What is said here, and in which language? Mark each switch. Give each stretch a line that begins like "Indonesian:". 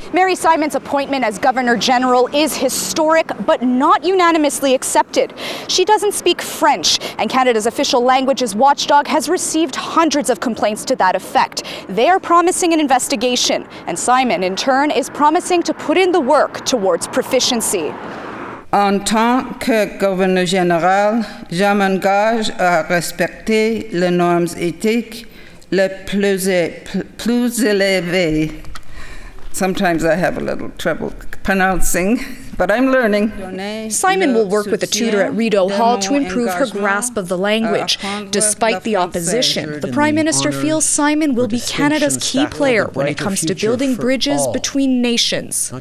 English: Mary Simon's appointment as Governor General is historic, but not unanimously accepted. She doesn't speak French, and Canada's official languages watchdog has received hundreds of complaints to that effect. They are promising an investigation, and Simon, in turn, is promising to put in the work towards proficiency.
French: En tant que gouverneur général, je m'engage à respecter les normes éthiques les plus élevées.
English: Sometimes I have a little trouble pronouncing, but I'm learning. Simon will work with a tutor at Rideau Hall to improve her grasp of the language. Despite the opposition, the Prime Minister feels Simon will be Canada's key player when it comes to building bridges between nations.